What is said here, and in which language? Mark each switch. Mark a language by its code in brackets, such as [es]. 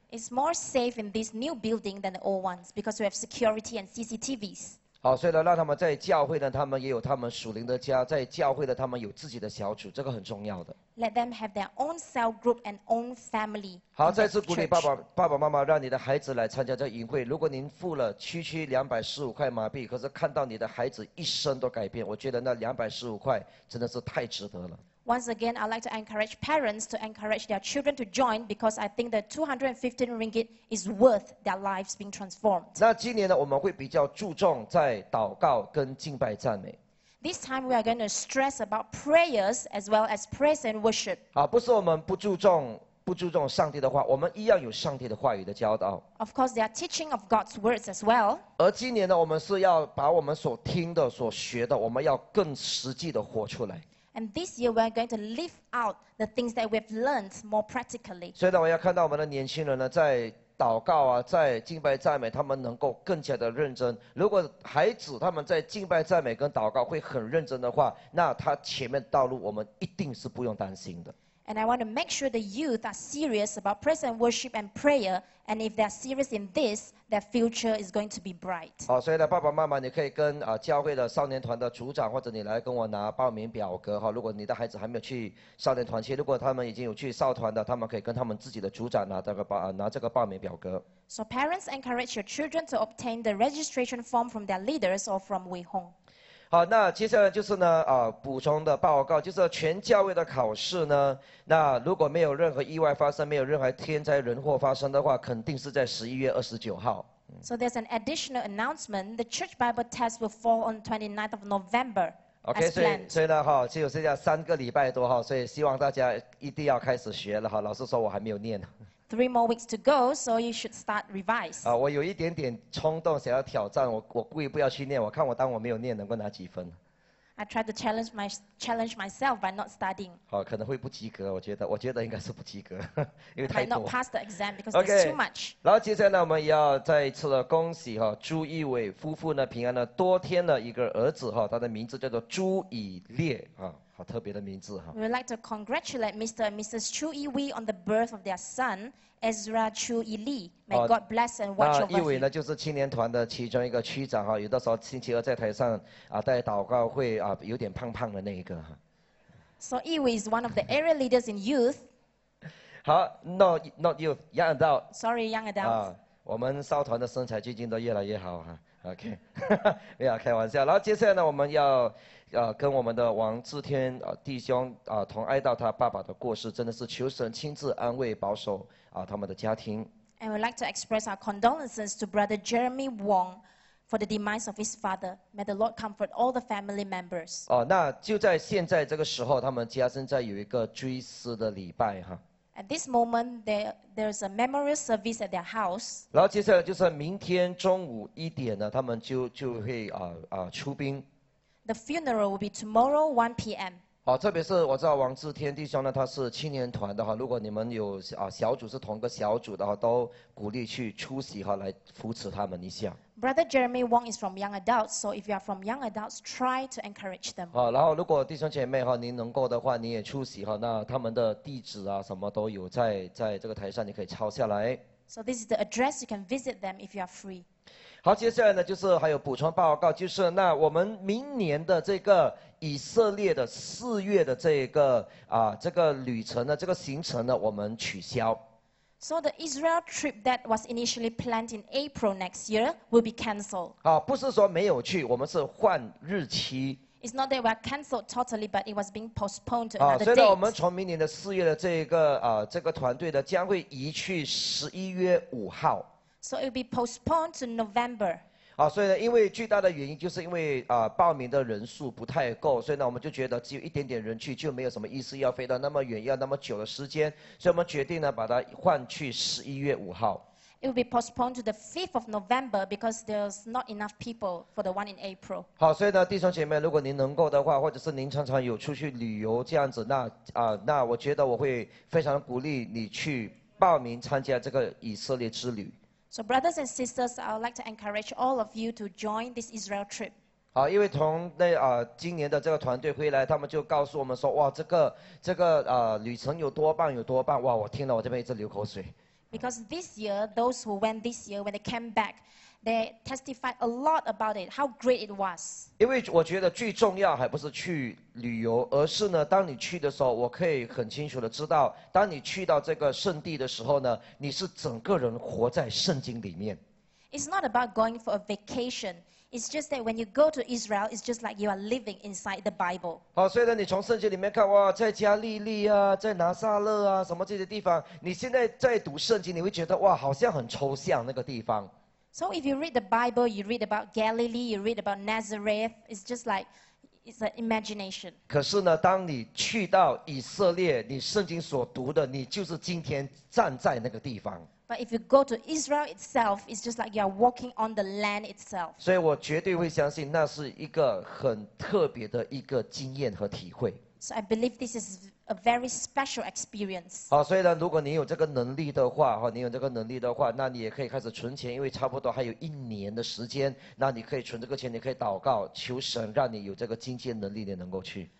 [en] It's more safe in this new building than the old ones because we have security and CCTVs. [zh] 好，所以呢，让他们在教会呢，他们也有他们属灵的家，在教会呢，他们有自己的小组，这个很重要的。 [en] Let them have their own cell group and own family. [zh] 好，再次鼓励爸爸妈妈，让你的孩子来参加这营会。如果您付了区215块马币，可是看到你的孩子一生都改变，我觉得那215块真的是太值得了。 [en] Once again, I'd like to encourage parents to encourage their children to join because I think the 215 ringgit is worth their lives being transformed. [zh] 那今年呢，我们会比较注重在祷告跟敬拜赞美。 [en] This time we are going to stress about prayers as well as praise and worship. [zh] 不是我们不注重上帝的话，我们一样有上帝的话语的教导。 [en] Of course, there are teaching of God's words as well. [zh] 而今年呢，我们是要把我们所听的、所学的，我们要更实际的活出来。 [en] And this year we are going to live out the things that we've learned more practically. [zh] 所以呢，我要看到我们的年轻人呢，在祷告啊，在敬拜赞美，他们能够更加的认真。如果孩子他们在敬拜赞美跟祷告会很认真的话，那他前面道路我们一定是不用担心的。 [en] And I want to make sure the youth are serious about praise and worship and prayer. And if they're serious in this, their future is going to be bright. [zh] 好，所以呢，爸爸妈妈，你可以跟教会的少年团的组长，或者你来跟我拿报名表格哈。如果你的孩子还没有去少年团去，如果他们已经有去少团的，他们可以跟他们自己的组长拿这个报名表格。 [en] So parents encourage your children to obtain the registration form from their leaders or from Wei Hong. [zh] 好，那接下来就是呢，补充的报告，就是全教会的考试呢。那如果没有任何意外发生，没有任何天灾人祸发生的话，肯定是在11月29号。 [en] So there's an additional announcement. The Church Bible test will fall on 29th of November. [zh] OK, 所以呢，只有剩下3个礼拜多哈，所以希望大家一定要开始学了哈。老师说我还没有念。 [en] 3 more weeks to go, so you should start revise. [zh] 我有一点点冲动想要挑战，我故意不要去念，我看我当我没有念能够拿几分。 [en] I try to challenge myself by not studying. [zh] 好，可能会不及格，我觉得应该是不及格，因为太多。 [en] I might not pass the exam because there's too much. [zh] 然后接下来我们要再一次的恭喜哈，朱一伟夫妇呢平安的多添了一个儿子哈，他的名字叫做朱以烈啊，好特别的名字哈。 [en] We would like to congratulate Mr. and Mrs. Chu Yiwei on the birth of their son. Ezra Chu Yili, may God bless and watch over him. [zh] 那一伟呢，就是青年团的其中一个区长哈。有的时候星期二在台上啊，带祷告会啊，有点胖胖的那一个哈。 [en] So Yiwei is one of the area leaders in youth. 好 ，not youth, young adult. Sorry, young adult. [zh] 我们少团的身材最近都越来越好哈。OK， 没有开玩笑。然后接下来呢，我们要。跟我们的王志天弟兄同哀悼他爸爸的过世，真的是求神亲自安慰保守他们的家庭。 [en] And we'd like to express our condolences to Brother Jeremy Wong for the demise of his father. May the Lord comfort all the family members. [zh] 那就在现在这个时候，他们家正在有一个追思的礼拜哈。 [en] At this moment, there's a memorial service at their house. [zh] 然后接下来就是明天中午一点呢，他们就会出殡。 [en] The funeral will be tomorrow 1 p.m. [zh] 好，特别是我知道王志天弟兄呢，他是青年团的哈。如果你们有小组是同个小组的哈，都鼓励去出席哈，来扶持他们一下。 [en] Brother Jeremy Wong is from Young Adults, so if you are from Young Adults, try to encourage them. [zh] 好，然后如果弟兄姐妹哈，您能够的话，你也出席哈，那他们的地址啊，什么都有在这个台上，你可以抄下来。 [en] So this is the address you can visit them if you are free. [zh] 好，接下来呢，就是还有补充报告，就是那我们明年的这个以色列的四月的这个这个旅程呢，这个行程呢，我们取消。 [en] So the Israel trip that was initially planned in April next year will be cancelled. [zh] 好，不是说没有去，我们是换日期。 [en] It's not that we are cancelled totally, but it was being postponed to another date. [zh] 所以我们从明年的四月的这个团队呢，将会移去十一月五号。 [en] So it will be postponed to November. [zh] 所以呢，因为巨大的原因，就是因为报名的人数不太够，所以呢，我们就觉得只有一点点人去，就没有什么意思要飞到那么远，要那么久的时间，所以我们决定呢，把它换去十一月五号。 [en] It will be postponed to the 5th of November because there's not enough people for the one in April. [zh] 好，所以呢，弟兄姐妹，如果您能够的话，或者是您常常有出去旅游这样子，那我觉得我会非常鼓励你去报名参加这个以色列之旅。 [en] So brothers and sisters, I would like to encourage all of you to join this Israel trip. [zh] 好，因为从那今年的这个团队回来，他们就告诉我们说，哇，这个旅程有多棒，有多棒！哇，我听了我这边一直流口水。 [en] Because this year, those who went this year, when they came back, they testified a lot about it, how great it was. [zh] 因为我觉得最重要还不是去旅游，而是呢，当你去的时候，我可以很清楚的知道，当你去到这个圣地的时候呢，你是整个人活在圣经里面。 [en] It's not about going for a vacation. It's just that when you go to Israel, it's just like you are living inside the Bible. [zh] 好，所以呢，你从圣经里面看，哇，在加利利啊，在拿撒勒啊，什么这些地方，你现在在读圣经，你会觉得哇，好像很抽象那个地方。 [en] So if you read the Bible, you read about Galilee, you read about Nazareth. It's just like it's an imagination. [zh] 可是呢，当你去到以色列，你圣经所读的，你就是今天站在那个地方。 [en] But if you go to Israel itself, it's just like you are walking on the land itself. [zh] 所以我绝对会相信那是一个很特别的一个经验和体会。 [en] So I believe this is a very special experience. [zh] 好，所以呢，如果你有这个能力的话，你有这个能力的话，那你也可以开始存钱，因为差不多还有一年的时间，那你可以存这个钱，你可以祷告，求神让你有这个经济能力，你能够去。